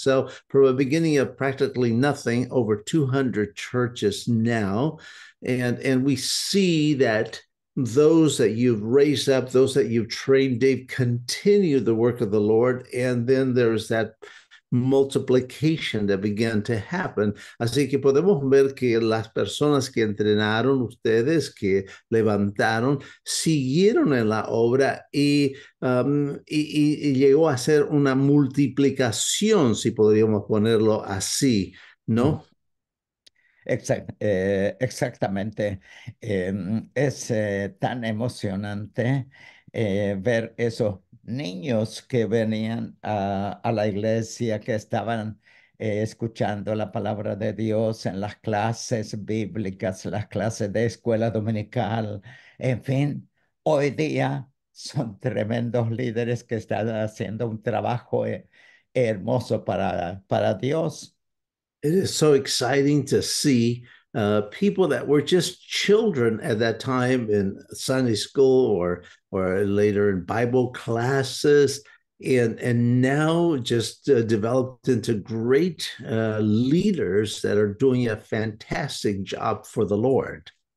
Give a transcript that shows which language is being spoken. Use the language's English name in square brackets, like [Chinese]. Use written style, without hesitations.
[English] So from a beginning of practically nothing, over 200 churches now, and we see that those that you've raised up, those that you've trained, Dave, continue the work of the Lord, and then there's that multiplication that began to happen. [Spanish] Así que podemos ver que las personas que entrenaron ustedes, que levantaron, siguieron en la obra y llegó a ser una multiplicación, si podríamos ponerlo así, ¿no? Exactamente. Es tan emocionante ver eso. Niños que venían a la iglesia, que estaban escuchando la palabra de Dios en las clases bíblicas, las clases de escuela dominical, en fin, hoy día son tremendos líderes que están haciendo un trabajo hermoso para Dios. [English] It is so exciting to see people that were just children at that time in Sunday school or later in Bible classes, and now just developed into great leaders that are doing a fantastic job for the Lord.